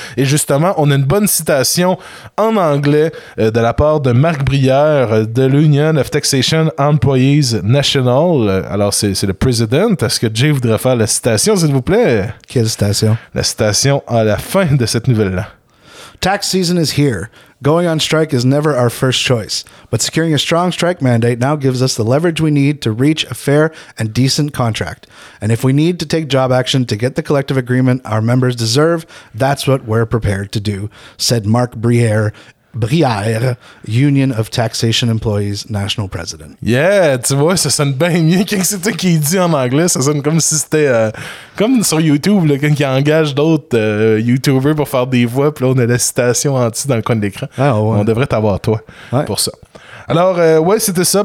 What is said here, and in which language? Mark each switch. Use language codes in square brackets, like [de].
[fr] Et justement, on a une bonne citation en anglais de la part de Marc Brière de l'Union of Taxation Employees National. Alors, c'est le président. Est-ce que Jay voudrait faire la citation, s'il vous plaît? Quelle citation? La citation à la fin de cette nouvelle-là. [en] Tax season is here. Going on strike is never our first choice. But securing a strong strike mandate now gives us the leverage we need to reach a fair and decent contract. And if we need to take job action to get the collective agreement our members deserve, that's what we're prepared to do, said Marc Brière. Brière, Union of Taxation Employees National President. [fr] Yeah, tu vois, ça sonne bien mieux quand c'est toi qui dit en anglais. Ça sonne comme si c'était comme sur YouTube, là, quand il engage d'autres YouTubers pour faire des voix. Puis là, on a la citation en dessous dans le coin de l'écran. Ah ouais. On devrait t'avoir, toi, ouais. Pour ça. Alors, ouais, c'était ça.